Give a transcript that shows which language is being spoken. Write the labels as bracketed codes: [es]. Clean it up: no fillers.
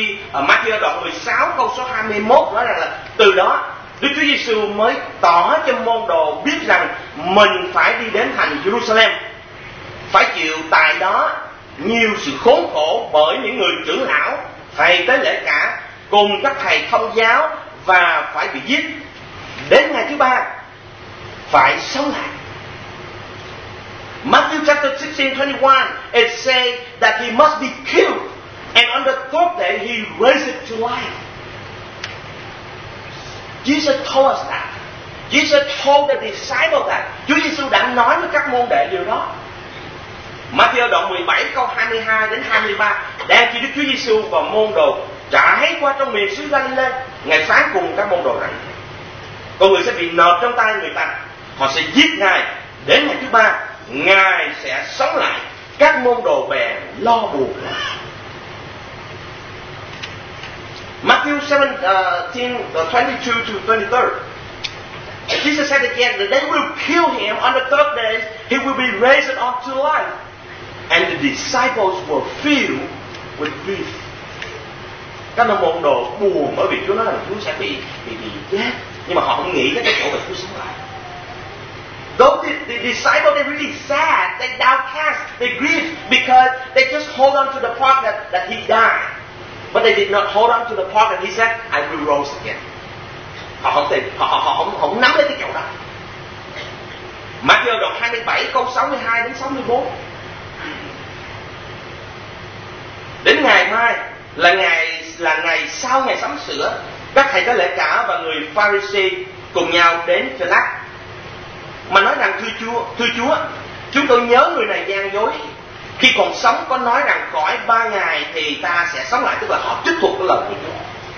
[vi] Matthew đoạn 16 câu số 21 nói rằng là từ đó Đức Chúa Giêsu mới tỏ cho môn đồ biết rằng mình phải đi đến thành Jerusalem, phải chịu tại đó nhiều sự khốn khổ bởi những người trưởng lão, phải tế lễ cả cùng các thầy thông giáo và phải bị giết, đến ngày thứ ba phải sống lại. [en] Matthew chapter 16:21, it says that he must be killed and on the third day he raised it to life. Jesus told us that. Jesus told the disciples that. [vi] Chúa Giêsu đã nói với các môn đệ điều đó. Matthew đoạn 17 câu 22 đến 23, đang khi Đức Chúa Giêsu và môn đồ trải qua trong miền xứ Galilê, Ngài phán cùng các môn đồ rằng: con người sẽ bị nộp trong tay người ta, họ sẽ giết Ngài, đến ngày thứ ba Ngài sẽ sống lại. Các môn đồ bèn lo buồn. [en] Matthew 17:22-23, Jesus said again that they will kill him on the third day, he will be raised up to life. And the disciples were filled with grief. [vi] Các môn đồ buồn bởi vì Chúa nói là Chúa sẽ bị chết, nhưng mà họ không nghĩ đến cái chỗ mà Chúa sống lại. [en] Don't the disciples, they really sad, they downcast, they grieve because they just hold on to the part that he died. But they did not hold on to the part that he said, I will rose again. [vi] Họ không tin, họ không nắm lấy cái chỗ đó. Matthew đoạn 27 câu 62 đến 64. Đến ngày mai là ngày sau ngày sắm sửa, các thầy tế lễ cả và người Pharisee cùng nhau đến Pilate mà nói rằng: thưa Chúa, chúng tôi nhớ người này gian dối, khi còn sống có nói rằng khỏi 3 ngày thì ta sẽ sống lại, tức là họ trích thuật cái lời của Chúa.